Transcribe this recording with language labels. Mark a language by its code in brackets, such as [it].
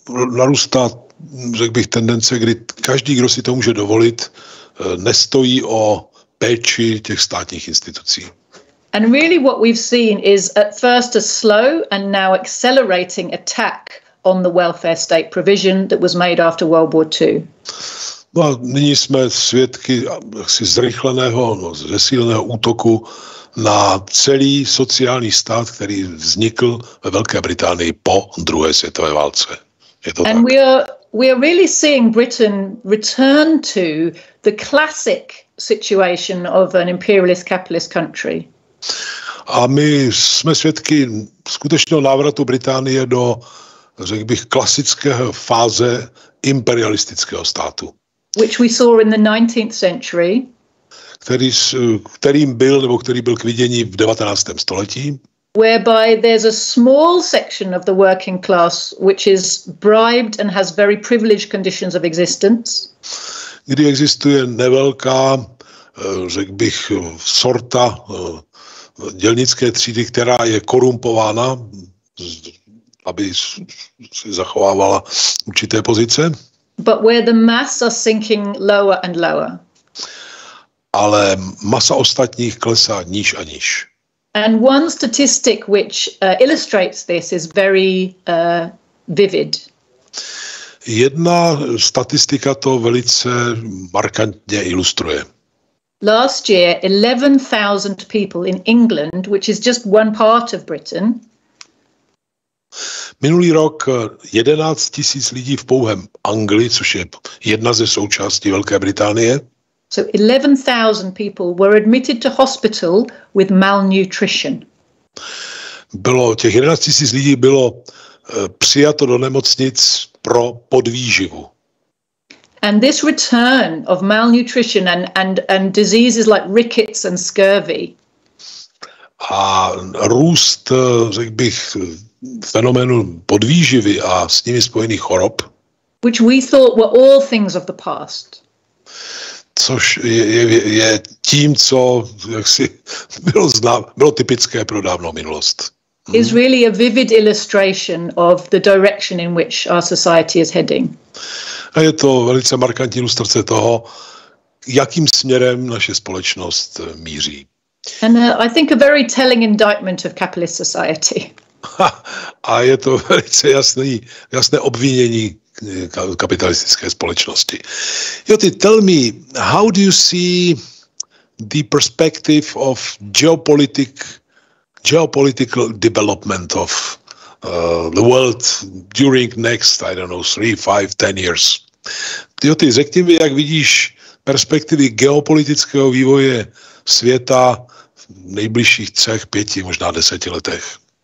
[cs] Narůstá, řekl bych, tendence, kdy každý, kdo si to může dovolit, nestojí o péči těch státních institucí. [en] And really what we've seen is at first a slow and now accelerating attack on the welfare state provision that was made after World War II. [cs] No a nyní jsme svědky jaksi zrychleného, no, zesíleného útoku na celý sociální stát, který vznikl ve Velké Británii po druhé světové válce. Je to [en] and [cs] tak. [en] We are really seeing Britain return to the classic situation of an imperialist capitalist country. [cs] A my jsme svědky skutečného návratu Británie do, řekl bych, klasické fáze imperialistického státu. [en] Which we saw in the 19th century. [cs] Který byl k vidění v 19. století. [en] Whereby there's a small section of the working class which is bribed and has very privileged conditions of existence. [cs] Kdy existuje nevelká, řekl bych, sorta dělnické třídy, která je korumpována, aby si zachovávala určité pozice. [en] But where the mass are sinking lower and lower. [cs] Ale masa ostatních klesá níž a níž. [en] And one statistic which illustrates this is very vivid. [cs] Jedna statistika to velice markantně ilustruje. [en] Last year 11,000 people in England, which is just one part of Britain. [cs] Minulý rok 11,000 lidí v pouhém Anglii, což je jedna ze součástí Velké Británie. [en] So 11,000 people were admitted to hospital with malnutrition. [cs] Bylo těch 11,000 lidí bylo přijato do nemocnic pro podvýživu. [en] And this return of malnutrition and diseases like rickets and scurvy. [cs] a růst, řekl bych, fenoménu podvýživy a s nimi spojených chorob, [en] which we thought were all things of the past. [cs] Což je tím, co jaksi bylo typické pro dávnou minulost. [en] Is really a vivid illustration of the direction in which our society is heading. [cs] A je to velice markantní ilustrace toho, jakým směrem naše společnost míří. [en] And I think a very telling indictment of capitalist society. [cs] A je to velice jasné obvinění kapitalistické společnosti. [en] Joti, tell me, how do you see the perspective of geopolitical development of the world during next, I don't know, 3, 5, 10 years? [cs] Joti, řekni mi, jak vidíš perspektivy geopolitického vývoje světa v nejbližších 3, 5, možná 10 letech.